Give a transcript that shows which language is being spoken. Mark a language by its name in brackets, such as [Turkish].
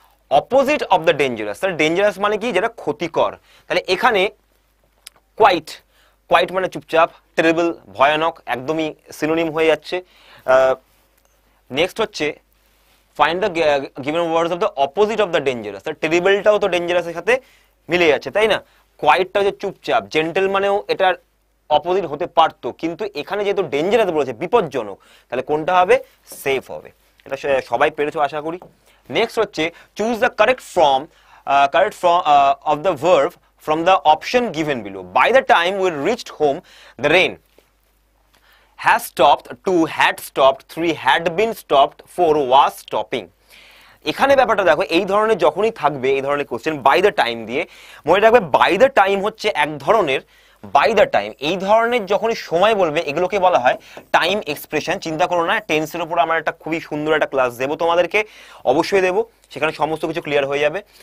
[English] opposite of the dangerous [Bangla] তাহলে dangerous মানে কি যেটা ক্ষতিকর তাহলে এখানে কোয়াইট কোয়াইট মানে চুপচাপ টেরেবল ভয়ানক একদমই সিনোনিম হয়ে যাচ্ছে নেক্সট হচ্ছে [English] find the given words of the opposite of the dangerous [Bangla] তাহলে টেরিবলটাও তো ডেঞ্জারাসের সাথে মিলে যাচ্ছে তাই না কোয়াইটটা হচ্ছে চুপচাপ জেন্টেল মানেও এটার অপোজিট হতে পারতো কিন্তু এখানে যেহেতু ডেঞ্জারাস বলেছে বিপজ্জনক তাহলে কোনটা হবে সেফ হবে এটা সবাই পেরেছো আশা করি [English] Next hoche, choose the correct form of the verb from the option given below. By the time we reached home, the rain has stopped, two had stopped, three had been stopped, four was stopping. [Bangla] এখানে ব্যাপারটা দেখো এই ধরনের যখনই থাকবে এই ধরনের question by the time দিয়ে মনে রাখবে বাই দ্য টাইম হচ্ছে এক ধরনের বাই দ্য টাইম এই ধরনের যখনই সময় বলবে এগুলোকে বলা হয় টাইম এক্সপ্রেশন চিন্তা করো না টেন্সের উপর আমার একটা খুবই সুন্দর একটা ক্লাস দেব তোমাদেরকে অবশ্যই দেব সেখানে সমস্ত কিছু ক্লিয়ার হয়ে যাবে